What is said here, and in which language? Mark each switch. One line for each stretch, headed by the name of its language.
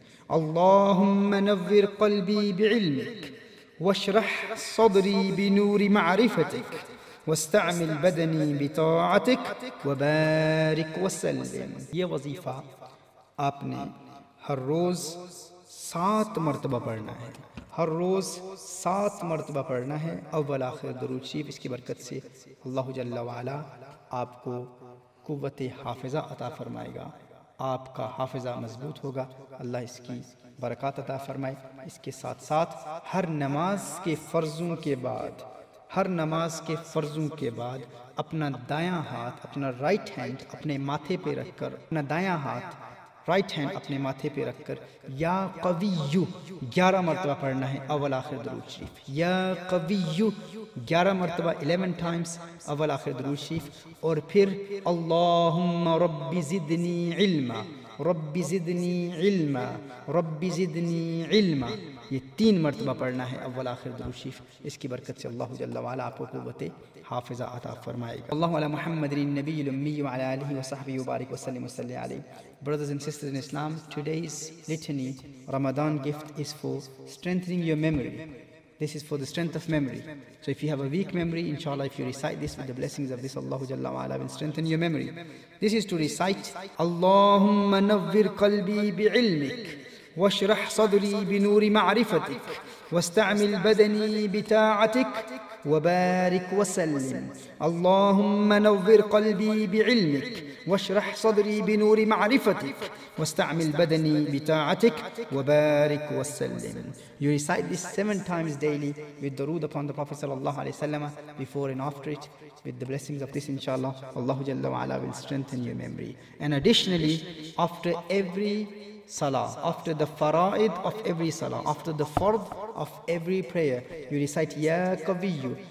Arabic: اللهم نظر قلبي بعلمك واشرح صدري بنور معرفتك واستعمل بدني بطاعتك وبارك وسلم.
Urdu: یہ وظیفہ آپ نے ہر روز سات مرتبہ پڑھنا ہے, ہر روز سات مرتبہ پڑھنا ہے, اول آخر درود شریف. اس کی برکت سے اللہ جل وعلا آپ کو قوت حافظہ عطا فرمائے گا, آپ کا حافظہ مضبوط ہوگا. اللہ اس کی برکات عطا فرمائے. اس کے ساتھ ساتھ ہر نماز کے فرضوں کے بعد, ہر نماز کے فرضوں کے بعد اپنا دایاں ہاتھ, اپنا رائٹ ہینڈ اپنے ماتھے پہ رکھ کر, اپنا دایاں ہاتھ رائٹ ہینڈ اپنے ماتھے پہ رکھ کر یا قویو 11 مرتبہ پڑھنا ہے اول آخر درود شریف. یا قویو 11 مرتبہ, 11 ٹائمز اول آخر درود شریف. اور پھر
Arabic: اللہم رب زدنی علما,
Urdu: رب زدنی علما, رب زدنی علما, یہ 3 مرتبہ پڑھنا ہے اول آخر درود شریف. اس کی برکت سے اللہ جل وعلا آپ کو قوت حافظہ عطا فرمائے گا.
Arabic: اللہ علی محمد النبی الامی وعلی آلہ وصحبہ وبارک وسلم وصلی علیہ.
English: Brothers and sisters in Islam, today's litany, Ramadan gift, is for strengthening your memory. This is for the strength of memory. So if you have a weak memory, inshallah, if you recite this with the blessings of this, Allahu Jalla wa'ala will strengthen your memory. This is to recite,
Arabic: Allahumma nawwir qalbi bi'ilmik, washrah sadri binuri ma'rifatik, wasta'mil badani bita'atik, وبارك وسلم. اللهم نور قلبي بعلمك واشرح صدري بنور معرفتك واستعمل بدني بطاعتك وبارك وسلم.
English: You recite this 7 times daily with درود upon the Prophet sallallahu alaihi wasallam before and after it. With the blessings of this, inshallah, Allah jalla wa'ala will strengthen your memory. And additionally, after every salah, after the fara'id of every salah, after the fard of every prayer, you recite Ya Kaviyu.